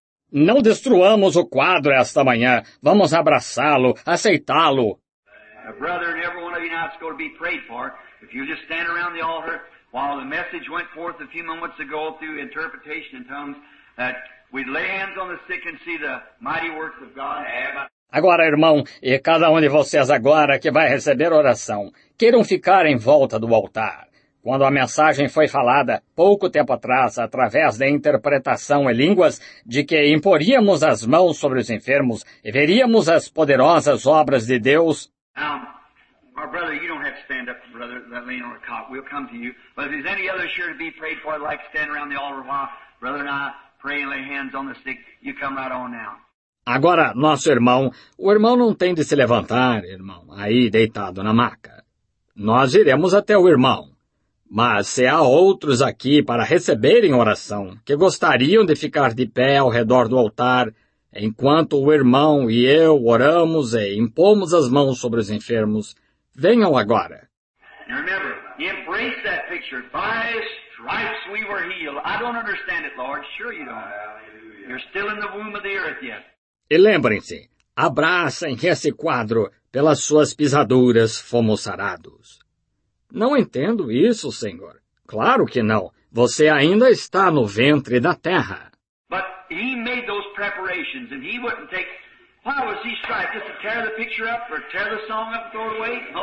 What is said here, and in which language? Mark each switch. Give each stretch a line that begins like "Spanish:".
Portuguese: Não destruamos o quadro esta manhã. Vamos abraçá-lo, aceitá-lo.
English: Brother, and every one of you now is going to be prayed for. If you just stand around the altar, while the message went forth a few moments ago through interpretation in tongues, that we'd lay hands on the sick and see the mighty works of God.
Portuguese: Agora, irmão, e cada um de vocês agora que vai receber oração, queiram ficar em volta do altar. Quando a mensagem foi falada, pouco tempo atrás, através da interpretação em línguas, de que imporíamos as mãos sobre os enfermos e veríamos as poderosas obras de Deus.
English: Our brother, you don't have to stand up, brother, that laying on a cot. We'll come to you. But if there's any other sure to be prayed for, I'd like to stand around the altar while brother and I pray and lay hands on the sick, you come right on now.
Portuguese: Agora, nosso irmão, o irmão não tem de se levantar, irmão, aí deitado na maca. Nós iremos até o irmão. Mas se há outros aqui para receberem oração, que gostariam de ficar de pé ao redor do altar, enquanto o irmão e eu oramos e impomos as mãos sobre os enfermos, venham agora.
English: Remember, embrace that picture. By stripes we were healed. I don't understand it, Lord. Sure you don't. You're still in the womb of the earth yet.
Portuguese: E lembrem-se, abracem esse quadro, pelas suas pisaduras fomos sarados. Não entendo isso, Senhor. Claro que não. Você ainda está no ventre da terra.
English: But he made those preparations, and he wouldn't take Why was he striped? Just to tear the picture up or tear the song up and throw it away?